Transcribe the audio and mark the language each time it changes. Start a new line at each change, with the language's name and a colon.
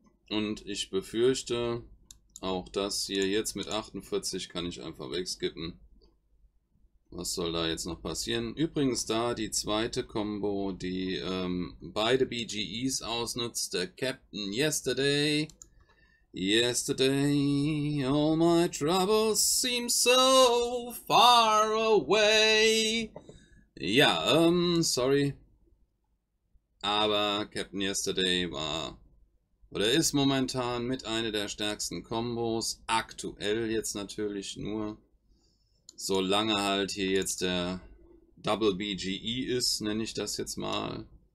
German: Und ich befürchte, auch das hier jetzt mit 48 kann ich einfach wegskippen. Was soll da jetzt noch passieren? Übrigens da die zweite Combo, die beide BGEs ausnutzt. Der Captain Yesterday.
English: Yesterday, all my troubles seem so far away.
German: Ja, sorry. Aber Captain Yesterday war oder ist momentan mit einer der stärksten Combos. Aktuell jetzt natürlich nur. Solange halt hier jetzt der Double BGE ist, nenne ich das jetzt mal.